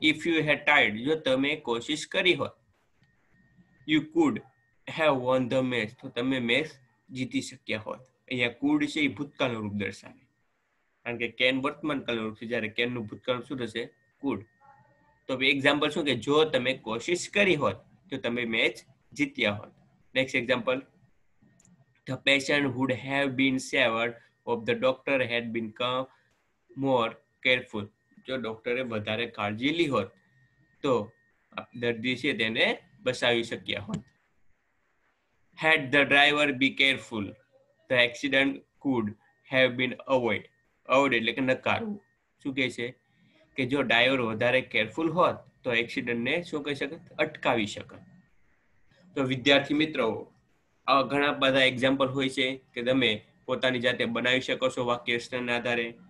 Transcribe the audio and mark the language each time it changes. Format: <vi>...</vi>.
<en>if you had tired,</en> <gu>જો તમે કોશિશ કરી હોય,</gu> <en>you could have won the match,</en> <gu>તો તમે મેચ જીતી શક્યા હોત. અહીંયા કુડ છે એ ભૂતકાળનું રૂપ દર્શાવે, કારણ કે કેન વર્તમાન કાળનું રૂપ છે, જ્યારે કેનનું ભૂતકાળ શું થશે? કુડ. તો એક્ઝામ્પલ શું કે જો તમે કોશિશ કરી હોત તો તમે મેચ જીત્યા હોત.</gu> <en>Next example the patient would have been saved if the doctor had been more careful.</en> <gu>જો ડોક્ટરે વધારે કાળજી લી હોત તો દર્દી છે તેને બચાવી શક્યા હોત.</gu> <en>had the driver be careful the accident could have been avoided.</en> <gu>avoid એટલે કે નકારવું. શું કહે છે કે જો ડ્રાઈવર વધારે કેરફુલ હોત તો એક્સિડન્ટને શું કહી શકત? અટકાવી શકત. તો વિદ્યાર્થી મિત્રો આવા ઘણા બધા એક્ઝામ્પલ હોય છે કે તમે પોતાની જાતે બનાવી શકો છો વાક્ય રચનાના આધારે.</gu>